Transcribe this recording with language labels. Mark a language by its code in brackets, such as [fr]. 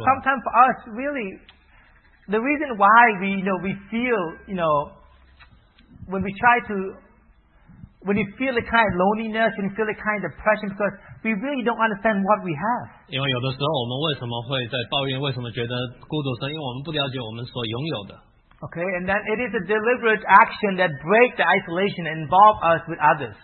[en] Now, sometimes for us, really, the reason why we, you know, we feel, you know, when we try to, when you feel the kind of loneliness, when you feel the kind of depression, because we really don't understand what we have. [zh] 因为有的时候我们为什么会在抱怨，为什么觉得孤独，是因为我们不了解我们所拥有的。 [en] Okay, and then it is a deliberate action that breaks the isolation and involves us with others.